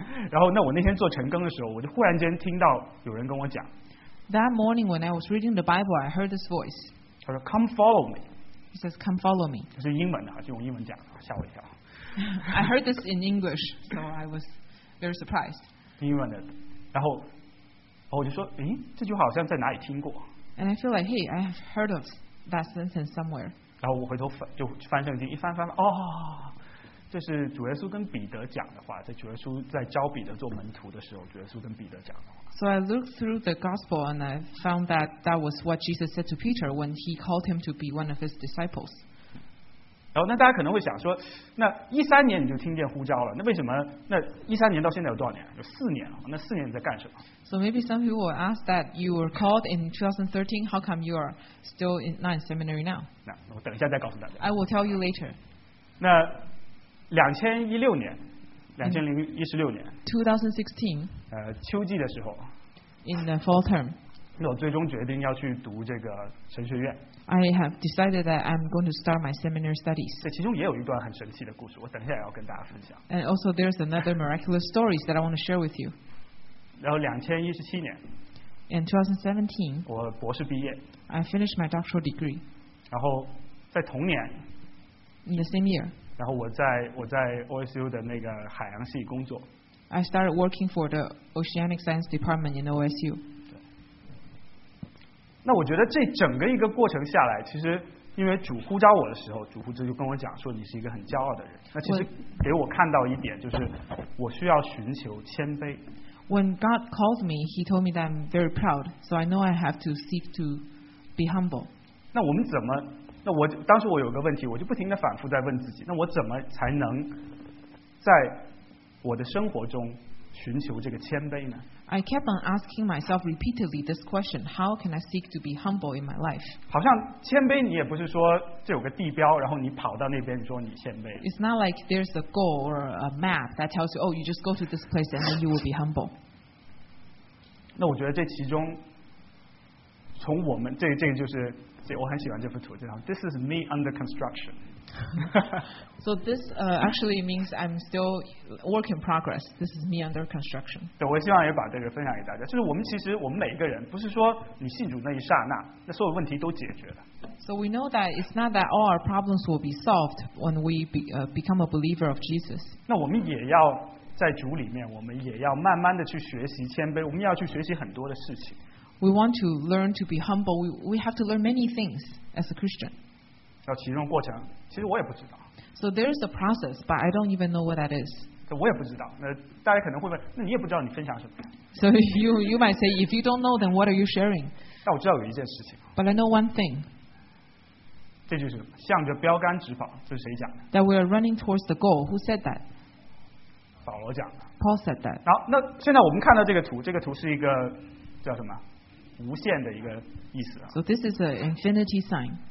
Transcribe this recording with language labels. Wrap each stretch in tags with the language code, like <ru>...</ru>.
<zh>然后那我那天做晨更的时候，我就忽然间听到有人跟我讲。</zh> <en>That morning when I was reading the Bible, I heard this voice.</en> <zh>他说</zh> <en>，Come follow me. He says, "Come follow me."</en> <zh>这是英文的，就用英文讲，吓我一跳。</zh> <en>I heard this in English, so I was very surprised.</en> <zh>英文的，然后我就说，诶，这句话好像在哪里听过。</zh> <en>And I feel like, hey, I have heard of that sentence somewhere.</en> <zh>然后我回头翻就翻圣经一翻翻，哦，这是主耶稣跟彼得讲的话，在主耶稣在招彼得做门徒的时候，主耶稣跟彼得讲的话。</zh> <en>So I looked through the gospel and I found that that was what Jesus said to Peter when he called him to be one of his disciples.</en> <zh>然后那大家可能会想说，那一三年你就听见呼召了，那为什么那一三年到现在有多少年？有四年了，那四年你在干什么？</zh> <en>So maybe some people will ask that you were called in 2013. How come you are still in, not in seminary now?</en> <zh>那我等一下再告诉大家。</zh> <en>I will tell you later.</en> <zh>那2016年</zh> <en>2016.</en> <zh>秋季的时候。</zh> <en>In the fall term.</en> <zh>那我最终决定要去读这个神学院。</zh> <en>I have decided that I'm going to start my seminary studies.</en> <zh>这其中也有一段很神奇的故事，我等一下也要跟大家分享。</zh> <en>And also, there's another miraculous stories that I want to share with you.</en> <zh>然后2017年</zh> <en>In 2017,</en> <zh>我博士毕业。</zh> <en>I finished my doctoral degree.</en> <zh>然后在同年。</zh> <en>In the same year.</en> <zh>然后我在 OSU 的那个海洋系工作。</zh> <en>I started working for the Oceanic Science Department in OSU.</en> <zh>那我觉得这整个一个过程下来，其实因为主呼召我的时候，主呼召就跟我讲说你是一个很骄傲的人。那其实给我看到一点就是，我需要寻求谦卑。</zh> <en>When God called me, He told me that I'm very proud, so I know I have to seek to be humble.</en> <zh>那我们怎么？那我当时我有个问题，我就不停的反复在问自己：那我怎么才能在我的生活中寻求这个谦卑呢</zh> <en>？I kept on asking myself repeatedly this question: How can I seek to be humble in my life?</en> <zh>好像谦卑，你也不是说这有个地标，然后你跑到那边你说你谦卑。</zh> <en>It's not like there's a goal or a map that tells you, oh, you just go to this place and then you will be humble.</en> <zh>那我觉得这其中，从我们这就是我很喜欢这幅图，这张</zh> <en>This is me under construction. So this actually means I'm still work in progress. This is me under construction.</en> <zh>对，我希望也把这个分享给大家。就是我们其实我们每一个人，不是说你信主那一刹那，那所有问题都解决了。</zh> <en>So we know that it's not that all our problems will be solved when we become a believer of Jesus.</en> <zh>那我们也要在主里面，我们也要慢慢的去学习谦卑，我们要去学习很多的事情。</zh> <en>We want to learn to be humble. We have to learn many things as a Christian.</en> <zh>要其中过程，其实我也不知道。</zh> <en>So there is a process, but I don't even know what that is.</en> <zh>我也不知道。那大家可能会问，那你也不知道你分享什么。</zh> <en>So you might say, if you don't know, then what are you sharing?</en> <zh>但我知道有一件事情。</zh> <en>But I know one thing.</en> <zh>这就是向着标杆直跑，这是谁讲的？</zh> <en>That we are running towards the goal. Who said that?</en> <zh>保罗讲的。</zh> <en>Paul said that.</en> <zh>好，那现在我们看到这个图，这个图是一个叫什么？无限的一个意思啊。</zh> <en>So this is an infinity sign.</en>